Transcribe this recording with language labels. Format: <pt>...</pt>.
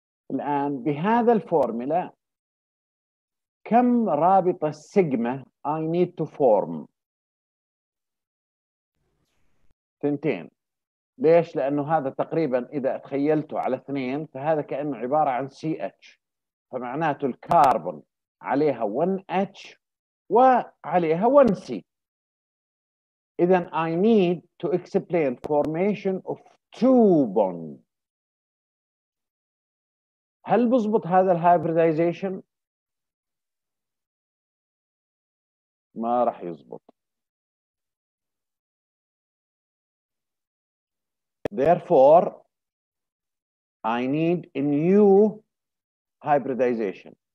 <ar>الآن بهذا الفورمولا كم رابطة سيجما</ar> <en>I need to form؟</en> <ar>ثنتين. ليش؟ لأنه هذا تقريبا إذا تخيلته على اثنين فهذا كأنه عبارة عن CH، فمعناته الكربون عليها 1H وعليها 1C.</ar> <en>إذا I need to explain formation of two bonds.</en> <ar>هل بزبط هذا الهايبريدايزيشن؟ ما راح يزبط.</ar> <en>Therefore, I need a new hybridization.</en>